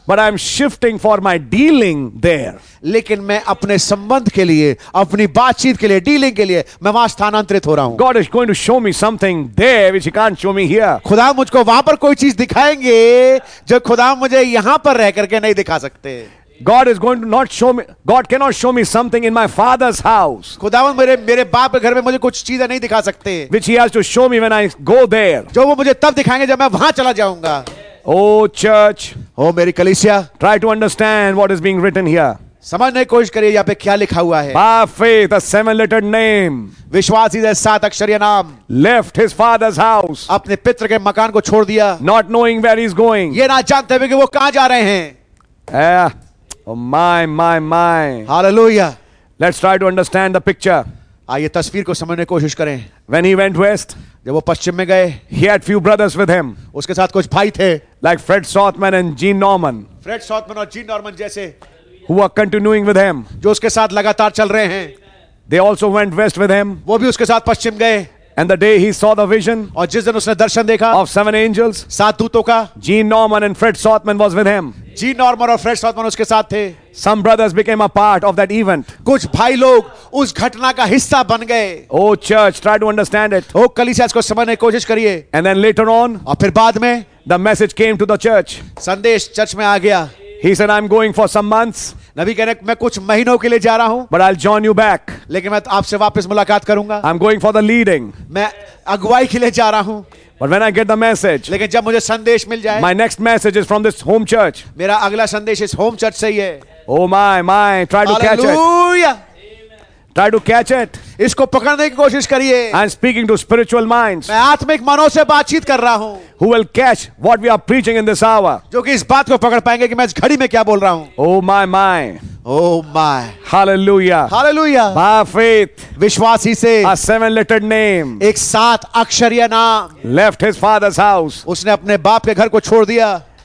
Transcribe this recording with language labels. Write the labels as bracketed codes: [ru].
[en] But I'm shifting for my dealing there. [hi] लेकिन मैं अपने संबंध के लिए, अपनी बातचीत के लिए, डीलिंग के लिए मैं वहां स्थानांतरित हो रहा हूँ. [en] God is going to show me something there which he can't show me here. [hi] खुदा मुझको वहां पर कोई चीज दिखाएंगे जो खुदा मुझे यहां पर रह करके नहीं दिखा सकते. [en] God is going to not show me. God cannot show me something in my father's house. [hi] खुदावन मेरे बाप के घर में मुझे कुछ चीजें नहीं दिखा सकते. [en] Which he has to show me when I go there. [hi] जो वो मुझे तब दिखाएंगे जब मैं वहां चला जाऊंगा. [en] Oh church. [hi] Oh मेरी कलीसिया. [en] Try to understand what is being written here. [hi] समझने की कोशिश करिए यहाँ पे क्या लिखा हुआ है. [en] By faith, a seven-letter name. [hi] विश्वासी है सात अक्षरीय नाम. [en] Left his father's house. [hi] अपने पितर के मकान को छोड़ दिया. [en] Not knowing where he's going. [hi] ये ना जानते हुए कि वो कहाँ जा रहे हैं. [en] Yeah. Oh my, my, my. Hallelujah. Let's try to understand the picture. [hi] आइए तस्वीर को समझने की कोशिश करें. [en] When he went west. [hi] जब वो पश्चिम में गए. [en] He had few brothers with him. [hi] उसके साथ कुछ भाई थे. [en] Like Fred Southman and Gene Norman. [hi] Fred Southman और Gene Norman जैसे. [en] Who are continuing with him. [hi] जो उसके साथ लगातार चल रहे हैं. [en] They also went west with him. [hi] वो भी उसके साथ पश्चिम गए. [en] And the day he saw the vision. [hi] और जिस दिन उसने दर्शन देखा. [en] Of seven angels. [hi] सात दूतों का. [en] Gene Norman and Fred Southman was with him. [hi] Gene Norman और Fred Southman उसके साथ थे. [en] Some brothers became a part of that event. [hi] कुछ भाई लोग उस घटना का हिस्सा बन गए. [en] Oh church, try to understand it. [hi] ओ कलीसिया इसको समझने की कोशिश करिए. [en] And then later on. [hi] और फिर बाद में. [en] The message came to the church. [hi] संदेश चर्च में आ गया. [en] He said, "I'm going for some months." [hi] नबी कह रहे मैं कुछ महीनों के लिए जा रहा हूँ. [en] But I'll join you back. [hi] लेकिन मैं आपसे वापस मुलाकात करूँगा. [en] I'm going for the leading. [hi] मैं अगुवाई के लिए जा रहा हूँ. [en] But when I get the message. [hi] लेकिन जब मुझे संदेश मिल जाए. [en] My next message is from this home church. [hi] मेरा अगला संदेश इस home church से ही है. [en] Oh my, my! Try to catch it. Hallelujah. Try to catch it. [hi] इसको पकड़ने की कोशिश करिए. [en] I'm speaking to spiritual minds. [hi] मैं आत्मिक मनों से बातचीत कर रहा हूँ. [en] Who will catch what we are preaching in this hour? [hi] जो कि इस बात को पकड़ पाएंगे कि मैं इस घड़ी में क्या बोल रहा हूँ. [en] Oh my, my. Oh my. Hallelujah. Hallelujah. By faith. [hi] विश्वासी से. [en] A seven-letter name. [hi] एक सात अक्षरीय नाम. [en] Left his father's house. [hi] उसने अपने बाप के घर को छोड़ दिया.